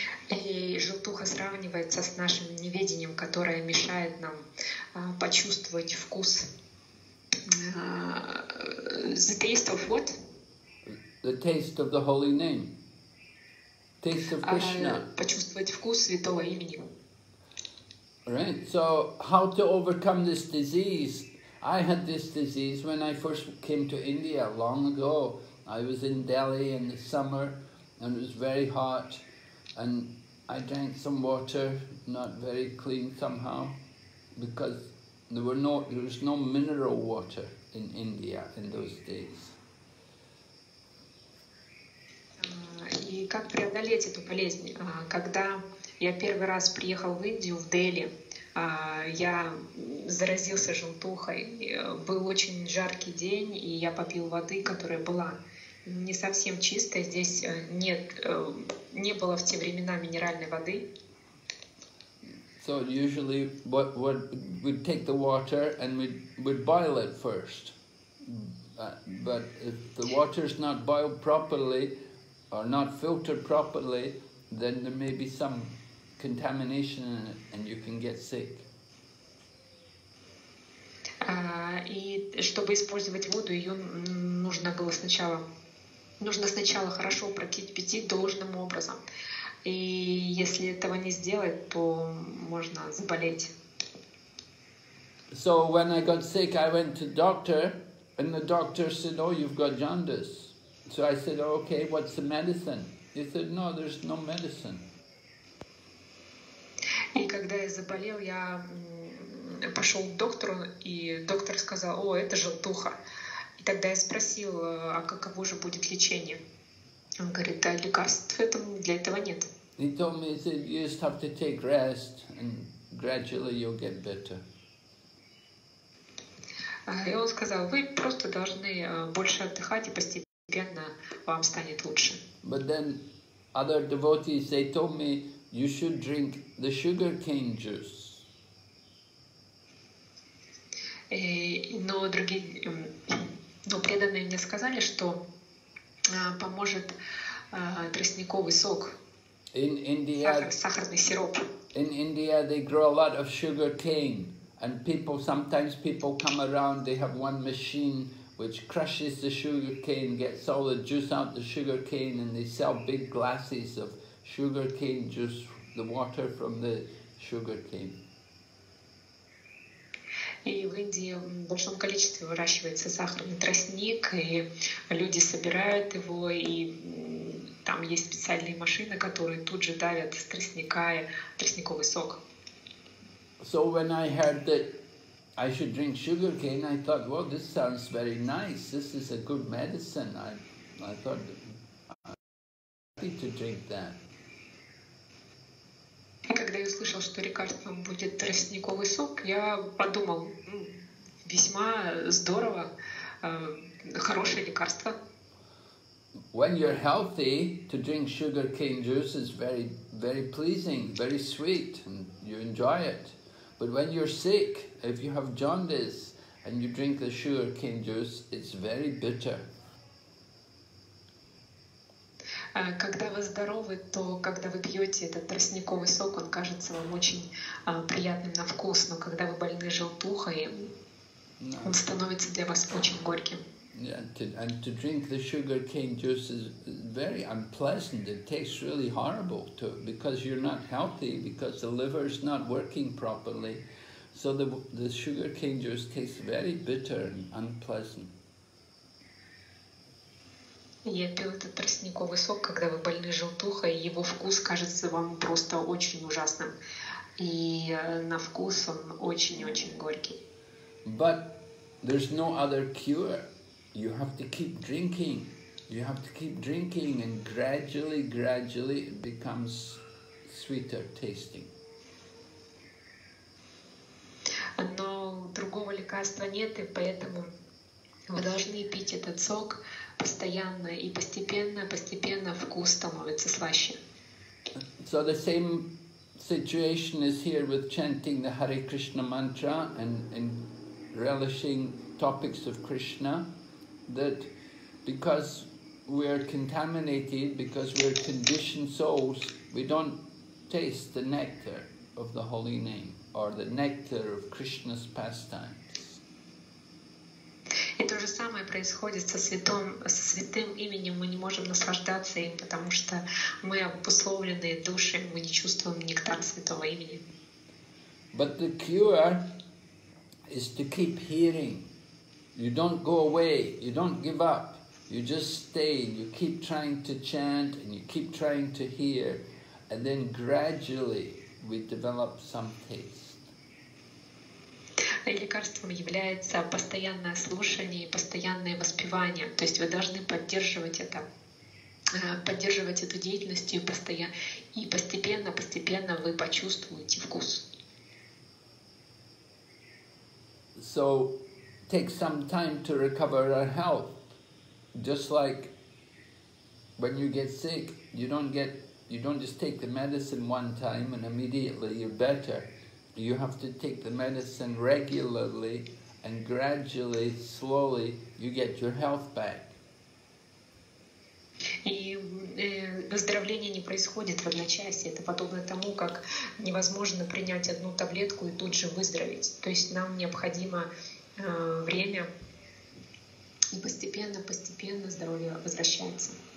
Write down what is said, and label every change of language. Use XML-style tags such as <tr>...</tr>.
<ru>И желтуха сравнивается с нашим неведением, которое мешает нам почувствовать вкус.</ru> <en>The taste of what? The taste of the holy name. Taste of Krishna.</en> <ru>Почувствовать вкус святого имени.</ru> <en>Right. So how to overcome this disease? I had this disease when I first came to India long ago. I was in Delhi in the summer and it was very hot and I drank some water, not very clean somehow, because there was no mineral water in India in those days.</en> <ru>И как преодолеть эту болезнь? Когда я первый раз приехал в Индию, в Дели, я заразился желтухой. Был очень жаркий день, и я попил воды, которая была не совсем чистой. Здесь не было в те времена минеральной воды.</ru> <en>So usually what we'd take the water and we'd boil it first. But if the water is not boiled properly or not filtered properly, then there may be some contamination in it and you can get sick.</en> <ru>И чтобы использовать воду, ее нужно сначала хорошо прокипятить должным образом. И если этого не сделать, то можно заболеть.</ru> <en>So when I got sick, I went to doctor, and the doctor said, "Oh, you've got jaundice." So I said, "Oh, okay, what's the medicine?" He said, "No, there's no medicine."</en> <ru>И когда я заболел, я пошел к доктору, и доктор сказал, "О, это желтуха." И тогда я спросил, а каково же будет лечение? Он говорит, да, лекарств для этого нет.</ru> <en>He told me, he said, you just have to take rest and gradually you'll get better.</en> <ru>И он сказал, вы просто должны больше отдыхать и постепенно вам станет лучше.</ru> <en>But then other devotees, they told me, you should drink the sugar cane juice.</en> <ru>но другие, но преданные мне сказали, что поможет тростниковый сок.</ru> <en>In India,</en> <ru>сахарный сироп.</ru> <en>In India, they grow a lot of sugar cane, and people sometimes people come around. They have one machine which crushes the sugar cane, gets all the juice out the sugar cane, and they sell big glasses of sugar cane juice, the water from the sugar cane.</en> <ru>И в Индии в большом количестве выращивается сахарный тростник, и люди собирают его, и там есть специальные машины, которые тут же давят с тростника тростниковый сок.</ru> <en>So when I heard that I should drink sugar cane, I thought, well, this sounds very nice. This is a good medicine. I thought I'm happy to drink that.</en> <ru>Когда я услышал, что лекарством будет тростниковый сок, я подумал, весьма здорово, хорошее лекарство.</ru> <en>When you're healthy, to drink sugar cane juice is very, very pleasing, very sweet, and you enjoy it. But when you're sick, if you have jaundice, and you drink the sugar cane juice, it's very bitter.</en> <ru>Когда вы здоровы, то когда вы пьете этот тростниковый сок, он кажется вам очень приятным на вкус, но когда вы больны желтухой, он становится для вас очень горьким.</ru> <en>And to drink the sugar cane juice is very unpleasant. It tastes really horrible to, because you're not healthy, because the liver is not working properly. So the sugar cane juice tastes very bitter and unpleasant.</en> <ru>Я пил этот тростниковый сок, когда вы больны желтухой, и его вкус кажется вам просто очень ужасным. И на вкус он очень-очень горький.</ru> <en>But there's no other cure. You have to keep drinking. You have to keep drinking, and gradually, gradually it becomes sweeter tasting.</en> <ru>Но другого лекарства нет, и поэтому вы должны пить этот сок постоянно, и постепенно вкус становится слаще.</ru> <en>So the same situation is here with chanting the Hare Krishna mantra and relishing topics of Krishna, that because we are contaminated, because we are conditioned souls, we don't taste the nectar of the holy name or the nectar of Krishna's pastime.</en> <ru>И то же самое происходит со святым именем. Мы не можем наслаждаться им, потому что мы обусловленные души, мы не чувствуем нектар святого имени.</ru> <en>But the cure is to keep hearing. You don't go away, you don't give up. You just stay, you keep trying to chant, and you keep trying to hear, and then gradually we develop some taste.</en> <ru>Лекарством является постоянное слушание и постоянное воспевание. То есть вы должны поддерживать эту деятельность и постепенно вы почувствуете вкус.</ru> <en>So take some time to recover our health. Just like when you get sick, you don't just take the medicine one time and immediately you're better. You have to take the medicine regularly and gradually, slowly, you get your health back.</en> <ru>И выздоровление не происходит в одночасье. Это подобно тому, как невозможно принять одну таблетку и тут же выздороветь. То есть нам необходимо время, и постепенно здоровье возвращается.</ru>